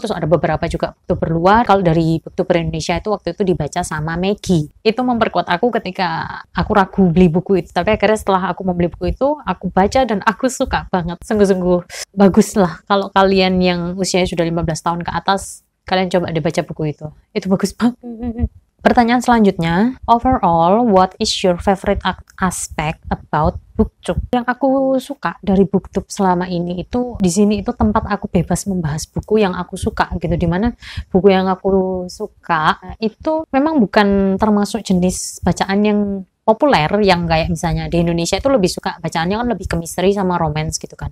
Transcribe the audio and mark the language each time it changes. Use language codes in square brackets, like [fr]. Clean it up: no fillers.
[id] Terus ada beberapa juga booktuber luar. Kalau dari booktuber Indonesia itu waktu itu dibaca sama Maggie. Itu memperkuat aku ketika aku ragu beli buku itu. Tapi akhirnya setelah aku membeli buku itu, aku baca dan aku suka banget. Sungguh-sungguh bagus lah. Kalau kalian yang usianya sudah 15 tahun ke atas, kalian coba dibaca buku itu. Itu bagus banget. Pertanyaan selanjutnya, [en] overall, what is your favorite aspect about BookTube? [id] Yang aku suka dari BookTube selama ini itu, di sini itu tempat aku bebas membahas buku yang aku suka gitu. Dimana buku yang aku suka itu memang bukan termasuk jenis bacaan yang populer, yang kayak misalnya di Indonesia itu lebih suka bacaannya kan lebih ke misteri sama romance gitu kan.